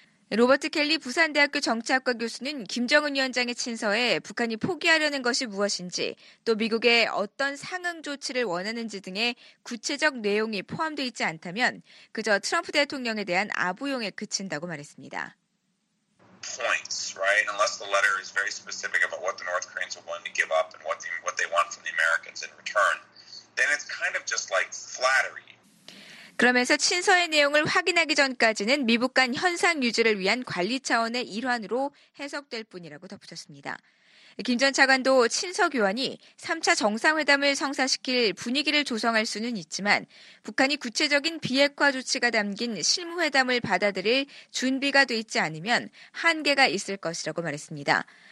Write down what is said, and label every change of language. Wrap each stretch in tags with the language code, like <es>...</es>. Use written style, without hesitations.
<ko>로버트 켈리 부산대학교 정치학과 교수는 김정은 위원장의 친서에 북한이 포기하려는 것이 무엇인지 또 미국의 어떤 상응 조치를 원하는지 등의 구체적 내용이 포함되어 있지 않다면 그저 트럼프 대통령에 대한 아부용에 그친다고 말했습니다.</ko> <en>Points, right? Unless the letter is very specific about what the North Koreans are willing to give up and what they want from the Americans in return, then it's kind of just like flattery.</en> <ko>그러면서 친서의 내용을 확인하기 전까지는 미북 간 현상 유지를 위한 관리 차원의 일환으로 해석될 뿐이라고 덧붙였습니다. 김 전 차관도 친서 교환이 3차 정상회담을 성사시킬 분위기를 조성할 수는 있지만 북한이 구체적인 비핵화 조치가 담긴 실무회담을 받아들일 준비가 돼 있지 않으면 한계가 있을 것이라고 말했습니다.</ko>